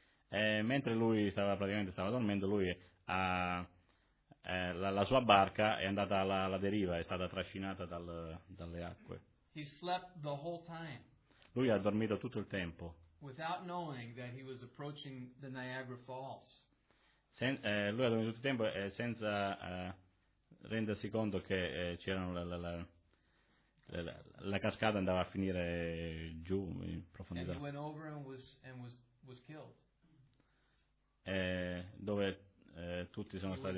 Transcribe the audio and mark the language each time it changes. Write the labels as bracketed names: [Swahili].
[Italian] Mentre lui stava dormendo, lui ha la sua barca è andata alla deriva, è stata trascinata dalle acque. [English] He slept the whole time. [Italian] Lui ha dormito tutto il tempo. [English] Without knowing that he was approaching the Niagara Falls. [Italian] Lui ha dormito tutto il tempo senza rendersi conto che c'erano la cascata andava a finire giù in profondità. [English] And he went over and was killed. [Italian] Dove tutti sono stati